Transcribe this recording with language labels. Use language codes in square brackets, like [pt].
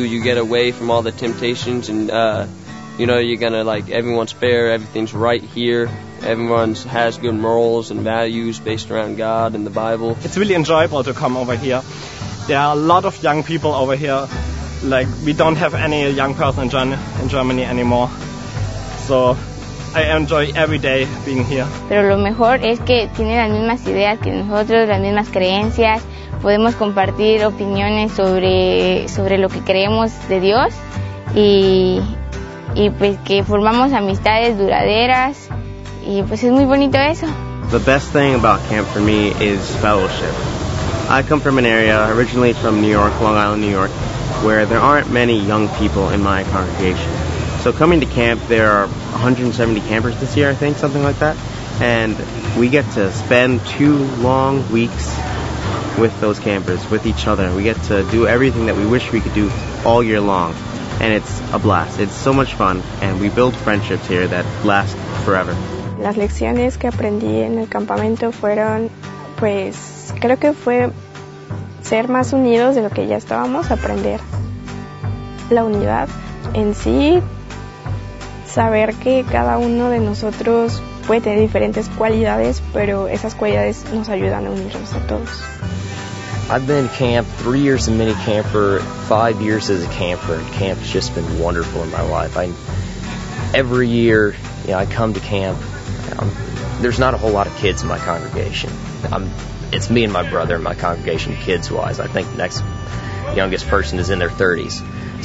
[en] You get away from all the temptations, and you know, you're gonna, like, everyone's fair, everything's right here. Everyone has good morals and values based around God and the Bible. It's really enjoyable to come over here. There are a lot of young people over here. Like, we don't have any young person in Germany anymore. So I enjoy every day being here. [es] Pero lo mejor es que tienen las mismas ideas que nosotros, las mismas creencias. Podemos compartir opiniones sobre lo que creemos de Dios y pues que formamos amistades duraderas. Y pues es muy bonito eso. [en] The best thing about camp for me is fellowship. I come from an area, originally from New York, Long Island, New York, where there aren't many young people in my congregation. So coming to camp, there are 170 campers this year, I think, something like that. And we get to spend two long weeks with those campers, with each other. We get to do everything that we wish we could do all year long. And it's a blast. It's so much fun. And we build friendships here that last forever. [es] Las lecciones que aprendí en el campamento fueron, pues, creo que fue ser más unidos de lo que ya estábamos, aprender la unidad en sí, saber que cada uno de nosotros puede tener diferentes cualidades, pero esas cualidades nos ayudan a unirnos a todos. [en] I've been in camp 3 years as a mini camper, 5 years as a camper, and camp's just been wonderful in my life. Every year, you know, I come to camp. There's not a whole lot of kids in my congregation. It's me and my brother in my congregation, kids-wise. I think the next youngest person is in their 30s.